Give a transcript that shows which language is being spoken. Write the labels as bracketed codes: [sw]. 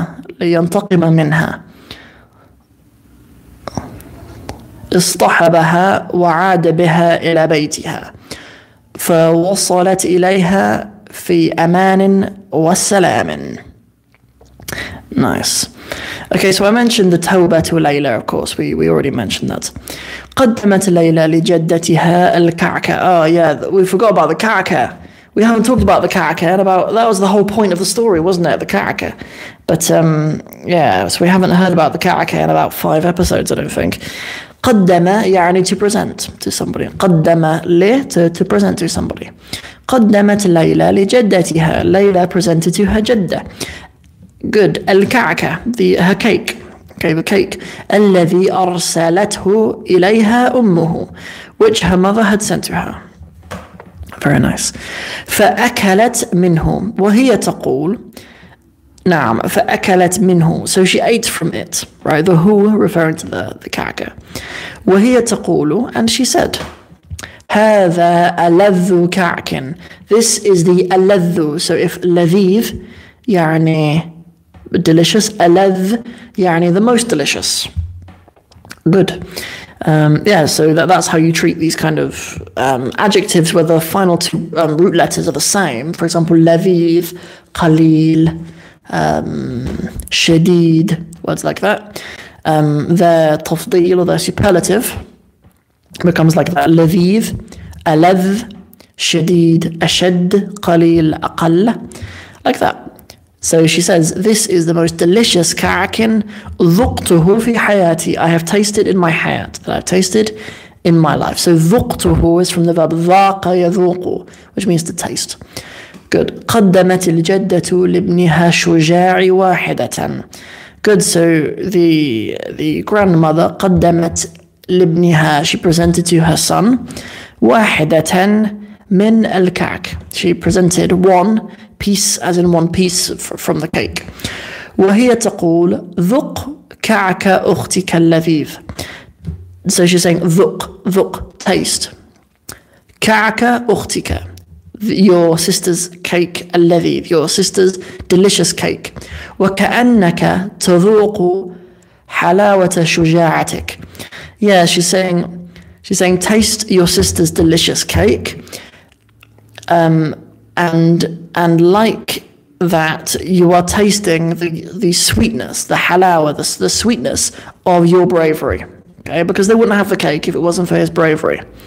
[ar] لينتقم منها اصطحبها وعاد بها إلى بيتها فوصلت إليها في أمان وسلام. [en] Nice. Okay, so I mentioned the Tawbah to Layla, of course. We already mentioned that. [ar] قدمت ليلى لجدتها الكعكة. [en] Oh, yeah, we forgot about the كعكة. We haven't talked about the كعكة. That was the whole point of the story, wasn't it? The كعكة. But, yeah, so we haven't heard about the كعكة in about 5 episodes, I don't think. [ar] قدم يعني [en] to present to somebody. [ar] قدم لي [en] to present to somebody. [ar] قدمت ليلى لجدتها. [en] ليلى presented to her جدة. Good. الكعكة, her cake. Okay, the cake. [ar] الذي أرسلته إليها أمه, [en] which her mother had sent to her. Very nice. [ar] فأكلت منه وهي تقول نعم فأكلت منه. [en] So she ate from it, right? The who referring to the kaka. [ar] وهي تقول, [en] and she said, [ar] هذا ألذ كعك. [en] This is the ألذ. So if [ar] لذيذ يعني [en] delicious, [ar] ألذ يعني [en] the most delicious. Good. Yeah, so that's how you treat these kind of adjectives where the final two root letters are the same. For example, لذيذ, قليل, شديد, words like that. Their تفضيل or their superlative becomes like that. [ar] لذيذ, ألذ, شديد, أشد, قليل, أقل, [en] like that. So she says, this is the most delicious [ar] كعكن ذقته في حياتي. [en] I have tasted in my hayat, that I've tasted in my life. So ذقته is from the verb [ar] ذاق يذوق, [en] which means to taste. Good. [ar] قدمت الجدة لابنها شجاع واحدة. [en] Good. So the grandmother [ar] قدمت لابنها, [en] she presented to her son, [ar] واحدة من الكعك. [en] She presented one piece, as in one piece from the cake. [ar] وهي تقول ذق كعك أختك اللذيذ. [en] So she's saying ذق taste [ar] كعك أختك, [en] your sister's cake, اللذيذ, your sister's delicious cake. [ar] وكأنك تذوق حلاوة شجاعتك. [en] Yeah, she's saying taste your sister's delicious cake. And like that, you are tasting the sweetness, the halawa, the sweetness of your bravery. Okay, because they wouldn't have the cake if it wasn't for his bravery.